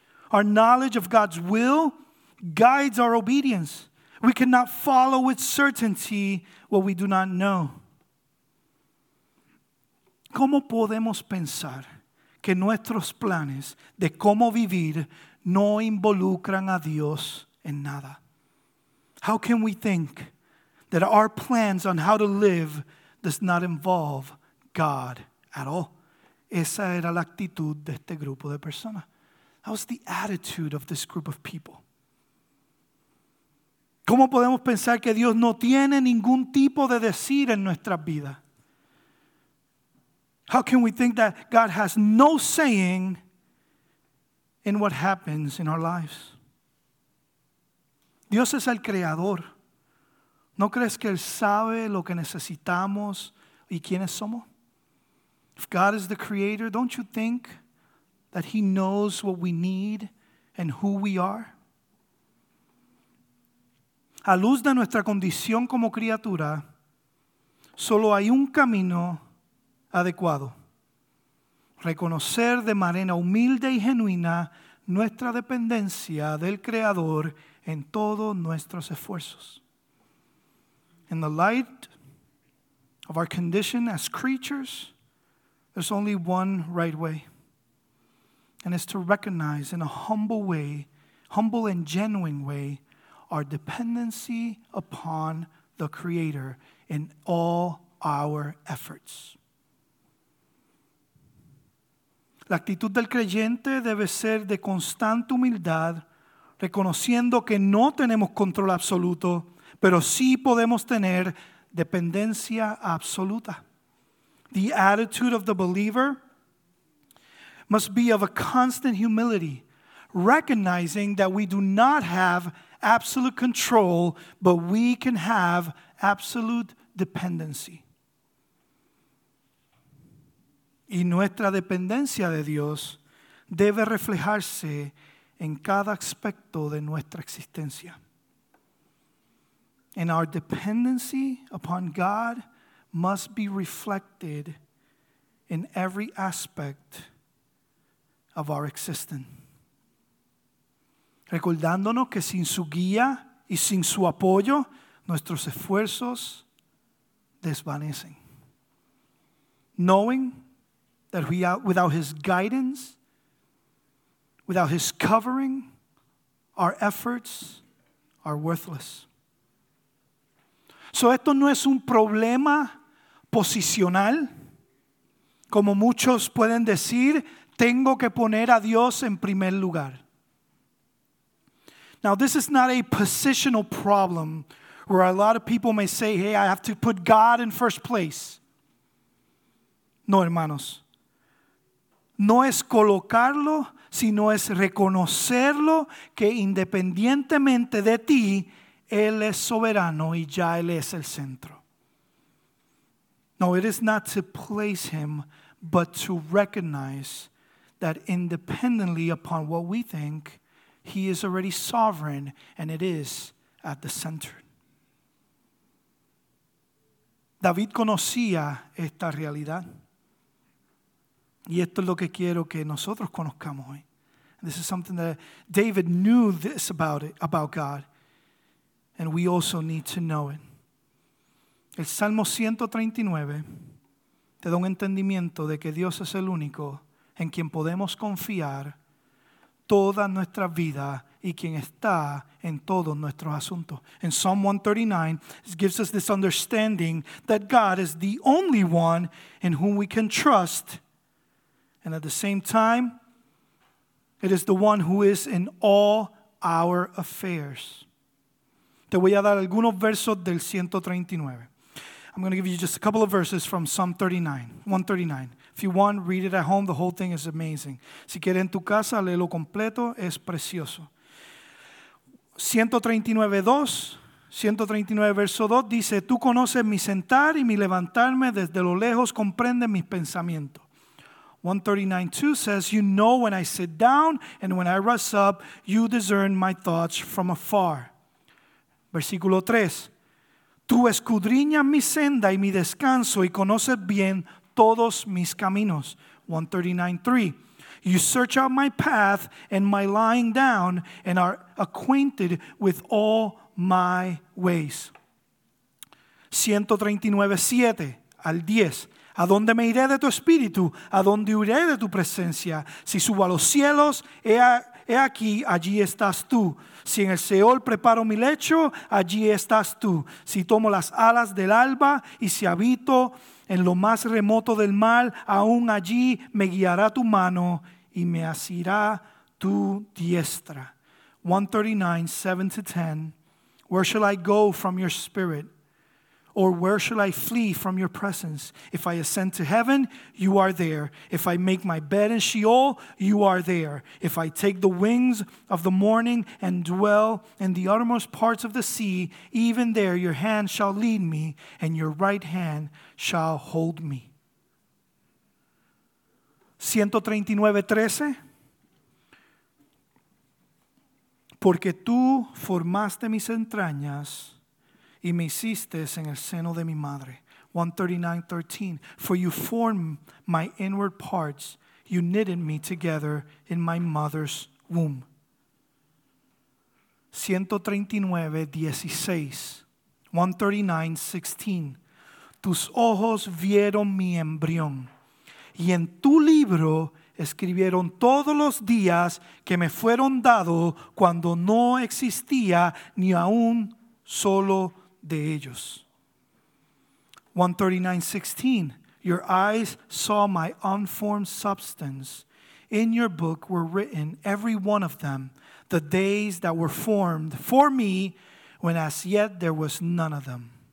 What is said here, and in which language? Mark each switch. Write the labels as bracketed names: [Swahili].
[English] Our knowledge of God's will guides our obedience. We cannot follow with certainty what we do not know. [Spanish] ¿Cómo podemos pensar que nuestros planes de cómo vivir no involucran a Dios en nada? [English] How can we think that our plans on how to live does not involve God at all? [Spanish] Esa era la actitud de este grupo de personas. [English] That was the attitude of this group of people. [Spanish] ¿Cómo podemos pensar que Dios no tiene ningún tipo de decir en nuestras vidas? [English] How can we think that God has no saying in what happens in our lives? [Spanish] Dios es el creador. ¿No crees que Él sabe lo que necesitamos y quiénes somos? [English] If God is the creator, don't you think that He knows what we need and who we are? [Spanish] A luz de nuestra condición como criatura, solo hay un camino adecuado. Reconocer de manera humilde y genuina nuestra dependencia del Creador en todos nuestros esfuerzos. [English] In the light of our condition as creatures, there's only one right way, and it's to recognize in a humble way, humble and genuine way, our dependency upon the Creator in all our efforts. [Spanish] La actitud del creyente debe ser de constante humildad, reconociendo que no tenemos control absoluto, pero sí podemos tener dependencia absoluta. [English] The attitude of the believer must be of a constant humility, recognizing that we do not have absolute control, but we can have absolute dependency. [Spanish] Y nuestra dependencia de Dios debe reflejarse en cada aspecto de nuestra existencia. [English] And our dependency upon God must be reflected in every aspect of our existence. [Spanish] Recordándonos que sin su guía y sin su apoyo, nuestros esfuerzos desvanecen. [English] Knowing that we are, without His guidance, without His covering, our efforts are worthless. [Spanish] So esto no es un problema posicional. Como muchos pueden decir, tengo que poner a Dios en primer lugar. [English] Now this is not a positional problem where a lot of people may say, hey, I have to put God in first place. [Spanish] No, hermanos. No es colocarlo, sino es reconocerlo que independientemente de ti, Él es soberano y ya Él es el centro. [English] No, it is not to place Him, but to recognize that independently upon what we think, He is already sovereign and it is at the center. [Spanish] David conocía esta realidad. Y esto es lo que quiero que nosotros conozcamos hoy. [English] This is something that David knew this about it, about God. And we also need to know it. [Spanish] El Salmo 139 te da un entendimiento de que Dios es el único en quien podemos confiar toda nuestra vida y quien está en todos nuestros asuntos. [English] In Psalm 139, it gives us this understanding that God is the only one in whom we can trust. And at the same time, it is the one who is in all our affairs. [Spanish] Te voy a dar algunos versos del 139. [English] I'm going to give you just a couple of verses from Psalm 139. If you want, read it at home. The whole thing is amazing. [Spanish] Si quieres en tu casa, léelo completo. Es precioso. 139:2. 139 verso 2 dice, tú conoces mi sentar y mi levantarme, desde lo lejos comprende mis pensamientos. [English] 139:2 says, you know when I sit down and when I rise up, you discern my thoughts from afar. [Spanish] Versículo 3, tú escudriñas mi senda y mi descanso y conoces bien todos mis caminos. [English] 139:3, you search out my path and my lying down and are acquainted with all my ways. [Spanish] 139:7 al 10. ¿A dónde me iré de tu espíritu? ¿A dónde huiré de tu presencia? Si subo a los cielos, he aquí, allí estás tú. Si en el Seol preparo mi lecho, allí estás tú. Si tomo las alas del alba y si habito en lo más remoto del mar, aún allí me guiará tu mano y me asirá tu diestra. [English] 139:7-10. Where shall I go from your spirit? Or where shall I flee from your presence? If I ascend to heaven, you are there. If I make my bed in Sheol, you are there. If I take the wings of the morning and dwell in the uttermost parts of the sea, even there your hand shall lead me and your right hand shall hold me. [Spanish] 139:13. Porque tú formaste mis entrañas y me hiciste en el seno de mi madre. [English] 139:13. For you formed my inward parts. You knitted me together in my mother's womb. [Spanish] 139:16. 139:16. Tus ojos vieron mi embrión. Y en tu libro escribieron todos los días que me fueron dados cuando no existía ni aún solo de ellos. [English] 139:16. Your eyes saw my unformed substance. In your book were written every one of them, the days that were formed for me when as yet there was none of them.